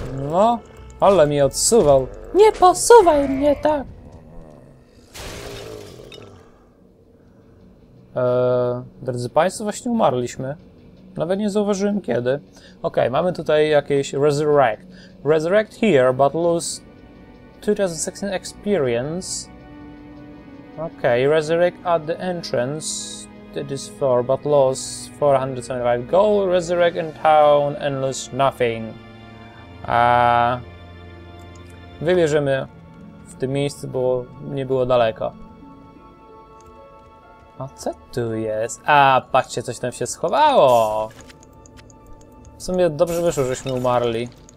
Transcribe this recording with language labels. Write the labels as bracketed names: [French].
[Polish] No, ale mi odsuwał. Nie posuwaj mnie tak! Drodzy Państwo, właśnie umarliśmy. Nawet nie zauważyłem kiedy. Okej, mamy tutaj jakieś resurrect. [English] Resurrect here, but lose 2016 experience. Okej, resurrect at the entrance. That is for, but lose 475 gold. Resurrect in town and lose nothing. [Polish] Wybierzemy w tym miejscu, bo nie było daleko. A co tu jest? A, patrzcie, coś tam się schowało! W sumie dobrze wyszło, żeśmy umarli.